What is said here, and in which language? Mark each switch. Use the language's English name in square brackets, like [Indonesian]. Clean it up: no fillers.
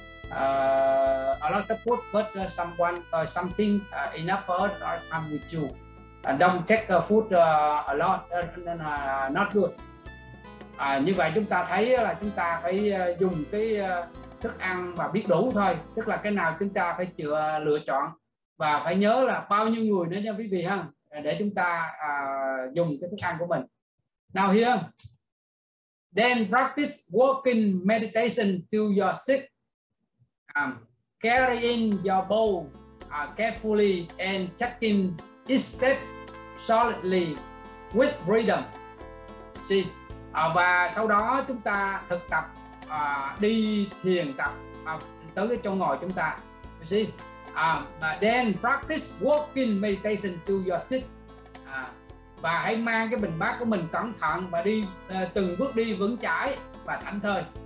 [English] A lot of food, but someone something enough for us all the time we chew. Don't take food a lot, not good. [Vietnamese] Như vậy chúng ta thấy là chúng ta phải dùng cái thức ăn và biết đủ thôi. Tức là cái nào chúng ta phải lựa chọn, và phải nhớ là bao nhiêu người nữa nha quý vị ha. để chúng ta dùng cái thức ăn của mình. [English] Now here, then practice walking meditation to your seat, carrying your bowl carefully and checking each step solidly with rhythm. [Vietnamese] See, và sau đó chúng ta thực tập đi thiền tập tới cái chỗ ngồi chúng ta. [English] See, then practice walking meditation to your seat. [Vietnamese] Và hãy mang cái bình bát của mình cẩn thận và đi từng bước đi vững chãi và thảnh thơi.